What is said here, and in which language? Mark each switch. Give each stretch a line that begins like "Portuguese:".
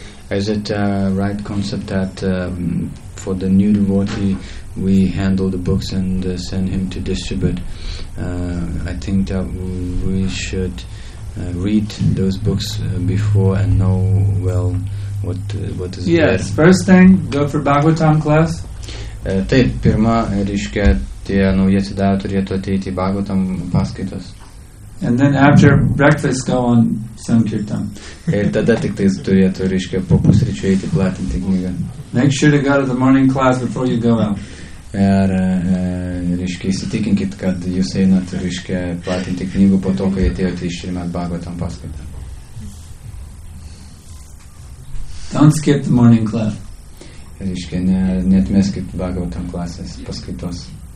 English: Is it a right concept that for the new devotee we handle the books and send him to distribute? I think that we should read those books before and know well what is yes, there. Yes, first thing, go for Bhagavatam class.
Lithuanian: Taip, pirma, reiškia, tie nauji atsidavę turėtų ateiti į Bhagavatam paskaitas.
English: And then after breakfast go on Sankirtan.
Lithuanian: Ir tada tik tais turėtų, reiškia, po pusryčių eiti platinti knygą.
English: Make sure to go to the morning class before you go out.
Lithuanian: Ir, reiškia, įsitikinkit, kad jūs einat, reiškia, platinti knygų po to, kai atėjote išrimat Bhagavatam paskaitą.
English: Don't skip the morning class.
Lithuanian: Reiškia, neatmeskit Bhagavatam klasės paskaitos.